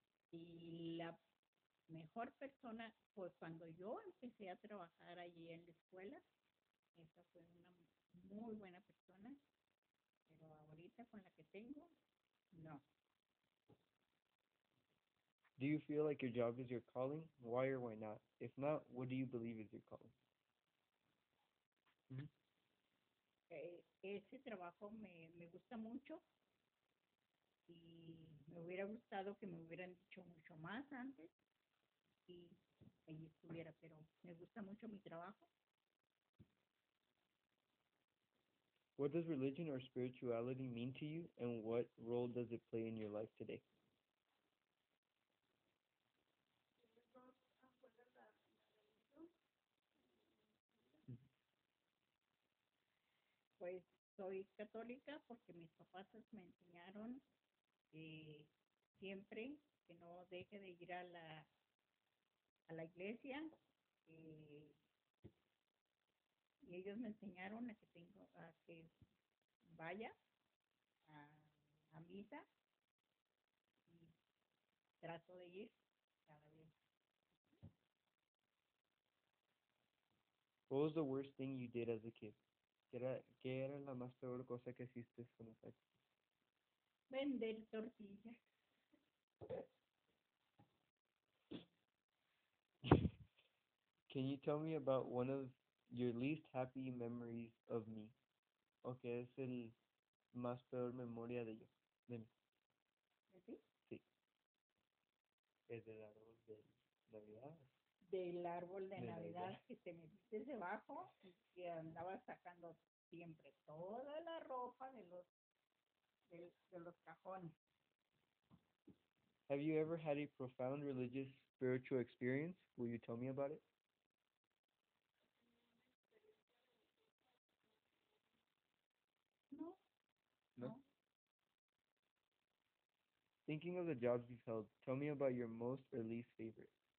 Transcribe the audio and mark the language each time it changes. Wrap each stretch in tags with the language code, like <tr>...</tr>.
<es>Y la mejor persona fue cuando yo empecé a trabajar allí en la escuela. Esa fue una muy buena persona, pero ahorita con la que tengo, no.</es> <en>Do you feel like your job is your calling? Why or why not? If not, what do you believe is your calling?</en> <es>Ese trabajo me gusta mucho y me hubiera gustado que me hubieran dicho mucho más antes y ahí estuviera, pero me gusta mucho mi trabajo.</es> <en>What does religion or spirituality mean to you, and what role does it play in your life today?</en> <es>Pues soy católica porque mis papás me enseñaron siempre que no deje de ir a la iglesia y ellos me enseñaron a que tengo a que vaya a misa y trato de ir cada día.</es> <en>What was the worst thing you did as a kid?</en> <es>¿Qué era la más peor cosa que hiciste con los años? Vender tortillas.</es> <en>Can you tell me about one of your least happy memories of me?</en> <es>¿O qué es el más peor memoria de yo? ¿De mí? ¿De ti? Sí. ¿Es del árbol de Navidad? Del árbol de Navidad que te metiste debajo y que andabas sacando siempre toda la ropa de los cajones.</es> <en>Have you ever had a profound religious spiritual experience? Will you tell me about it?</en> <es>No.</es> <en>Thinking of the jobs you've held, tell me about your most or least favorite.</en>